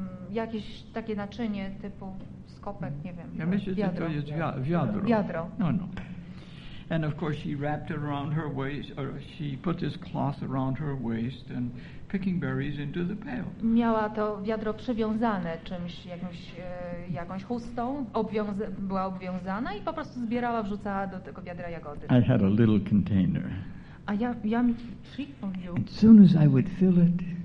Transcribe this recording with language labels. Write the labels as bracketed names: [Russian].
[Polish] Jakieś takie naczynie typu skopek, nie wiem. Ja myślę, że to jest wiadro. Wiadro. No. [English] And of course she wrapped it around her waist, or she put this cloth around her waist and picking berries into the pail. [Polish] Miała to wiadro przywiązane czymś, jakąś chustą, była obwiązana i po prostu zbierała, wrzucała do tego wiadra jagody. [English] I had a little container. [Polish] A ja mi przyjął. [English] As soon as I would fill it.